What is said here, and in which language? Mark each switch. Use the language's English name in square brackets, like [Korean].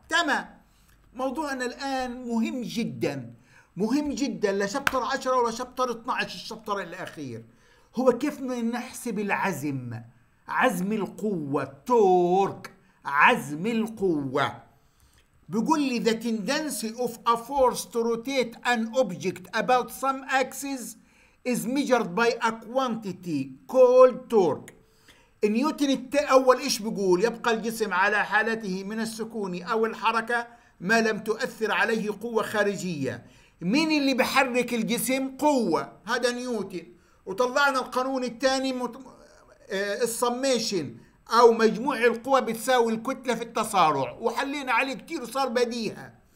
[Arabic] تمام، موضوعنا الان مهم جدا، مهم جدا لشابتر 10 ولا شابتر 12 الشابتر الاخير، هو كيف نحسب العزم، عزم القوة، تورك، عزم القوة. بيقول لي [English] the tendency of a force to rotate an object about some axis is measured by a quantity called torque. [Arabic] نيوتن اول ايش بيقول؟ يبقى الجسم على حالته من السكون او الحركة ما لم تؤثر عليه قوة خارجية. مين اللي بحرك الجسم؟ قوة، هذا نيوتن. وطلعنا القانون الثاني الصميشن او مجموع القوى بتساوي الكتلة في التسارع، وحلينا عليه كتير وصار بديهة.